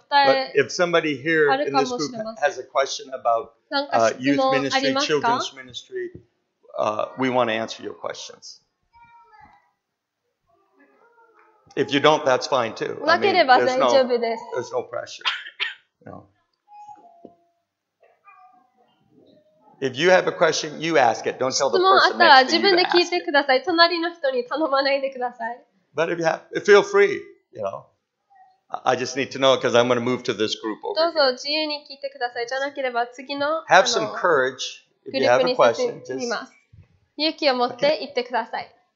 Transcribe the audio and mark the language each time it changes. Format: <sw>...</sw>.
<en>But if somebody here in this group has a question about youth ministry, children's ministry, we want to answer your questions. If you don't, that's fine too.</en> <ja>なければ大丈夫です。</ja> <en>There's no pressure. No. If you have a question, you ask it. Don't tell the person next to you to ask it.</en> <ja>質問あったら自分で聞いてください。隣の人に頼まないでください。</ja> <en>But if you have, feel free. You know, I just need to know because I'm going to move to this group over here.</en> <ja>どうぞ自由に聞いてください。じゃなければ次の</ja> <en>Have some courage if you have a question. Just</en> <ja>勇気を持って言ってください。</ja>